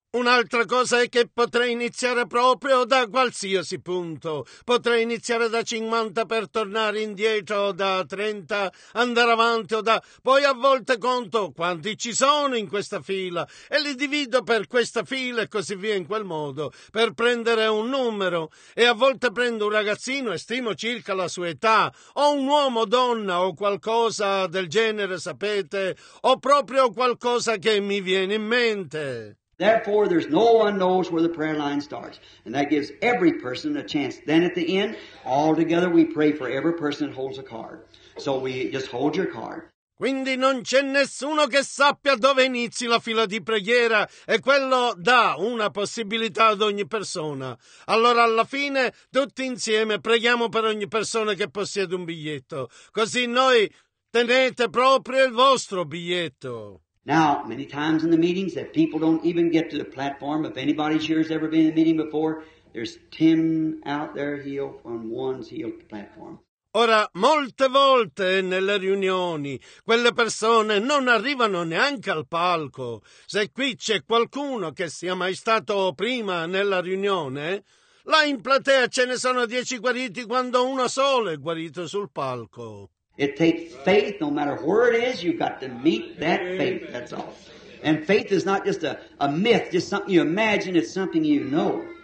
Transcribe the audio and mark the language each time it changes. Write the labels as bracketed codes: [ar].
[it] Un'altra cosa è che potrei iniziare proprio da qualsiasi punto. Potrei iniziare da 50 per tornare indietro, da 30 andare avanti o da... Poi a volte conto quanti ci sono in questa fila e li divido per questa fila e così via in quel modo per prendere un numero. E a volte prendo un ragazzino e stimo circa la sua età, o un uomo, donna o qualcosa del genere, sapete, o proprio qualcosa che mi viene in mente. [en] Therefore, there's no one knows where the prayer line starts. And that gives every person a chance. Then at the end, all together, we pray for every person that holds a card. So we just hold your card. [it] Quindi non c'è nessuno che sappia dove inizi la fila di preghiera e quello dà una possibilità ad ogni persona. Allora alla fine tutti insieme preghiamo per ogni persona che possiede un biglietto. Così noi tenete proprio il vostro biglietto. [en] Now, many times in the meetings that people don't even get to the platform, if anybody's here has ever been in a meeting before, there's Tim out there heel on one's heel platform. [it] Ora, molte volte nelle riunioni, quelle persone non arrivano neanche al palco. Se qui c'è qualcuno che sia mai stato prima nella riunione, là in platea ce ne sono 10 guariti quando uno solo è guarito sul palco. [en] It takes faith, no matter where it is, you've got to meet that faith, that's all. And faith is not just a myth, just something you imagine, it's something you know.